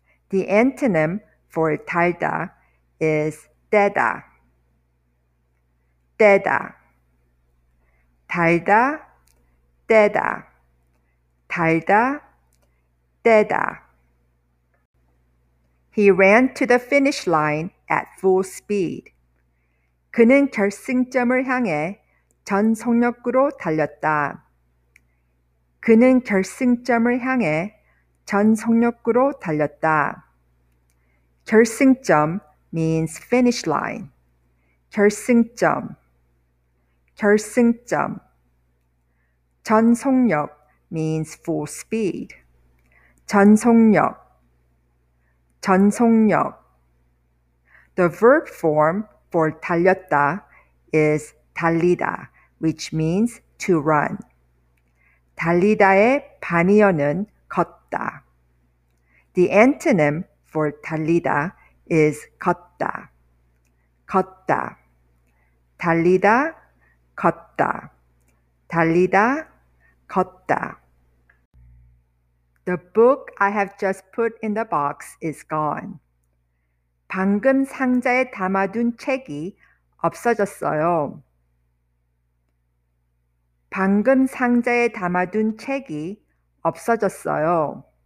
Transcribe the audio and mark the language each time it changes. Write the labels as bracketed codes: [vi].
[en] The antonym for 달다 is 떼다. 떼다. [ko] 달다, 떼다. 달다, 떼다. [en] He ran to the finish line at full speed. [ko] 그는 결승점을 향해 전속력으로 달렸다. 그는 결승점을 향해 전속력으로 달렸다. [en] 결승점 means finish line. 결승점. [ko] 결승점. 전속력 [en] means full speed. [ko] 전속력. 전속력. [en] The verb form for 달렸다 is 달리다, which means to run. [ko] 달리다의 반의어는 걷다. [en] The antonym for 달리다 is 걷다. 걷다. [ko] 달리다, 걷다. 달리다, 걷다. [en] The book I have just put in the box is gone. [ko] 방금 상자에 담아둔 책이 없어졌어요. 방금 상자에 담아둔 책이 없어졌어요.